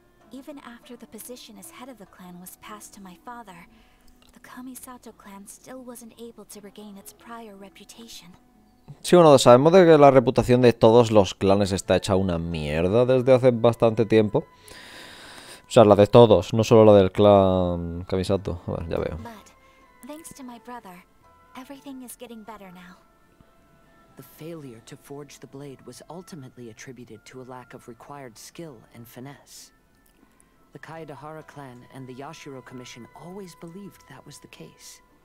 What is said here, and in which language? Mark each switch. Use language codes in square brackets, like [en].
[en] Even after the position as head of the clan was passed to my father, the Kamisato clan still wasn't able to regain its prior reputation. [es] Sí, bueno, sabemos de que la reputación de todos los clanes está hecha una mierda desde hace bastante tiempo. O sea, la de todos, no solo la del clan Kamisato. A ver, ya veo. [en] But, thanks to my brother, everything is getting better now. The failure to forge the blade was ultimately attributed to a lack of required skill and finesse. The Kaidahara clan and the Yashiro Commission always believed that was the case.